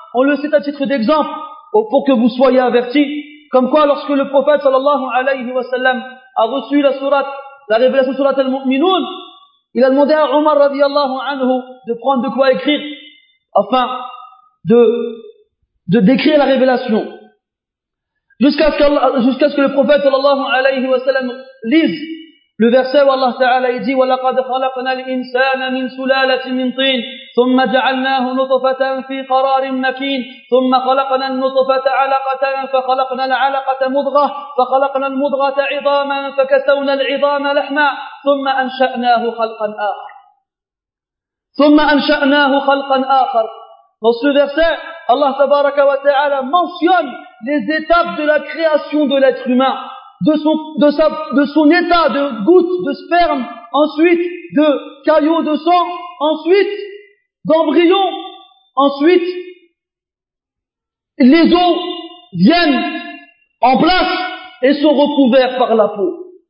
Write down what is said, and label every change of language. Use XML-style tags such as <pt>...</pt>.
<fr>On le cite à titre d'exemple pour que vous soyez avertis. Comme quoi, lorsque le prophète sallallahu alayhi wa sallam a reçu la sourate, la révélation sourate al-Mu'minun, il a demandé à Omar radiallahu anhu de prendre de quoi écrire afin de décrire la révélation. Jusqu'à ce que le prophète sallallahu alayhi wa sallam lise le verset où Allah ta'ala dit:</fr> <ar>وَلَقَدْ خَلَقْنَا الْإِنسَانَ مِنْ سُلَالَةٍ مِنْ طِينٍ ثم جعلناه نطفة في قرار مكين ثم خلقنا النطفة علقة فخلقنا العلقة مضغة فخلقنا المضغة عظاما فكسونا العظام لحما ثم أنشأناه خلقا آخر ثم أنشأناه خلقا آخر.</ar> <fr>Dans ce verset, Allah تبارك وتعالى mentionne les étapes de la création de l'être humain, de son état de gouttes de sperme, ensuite de caillots de sang, ensuite d'embryon, ensuite les os viennent en place et sont recouverts par la peau.</fr>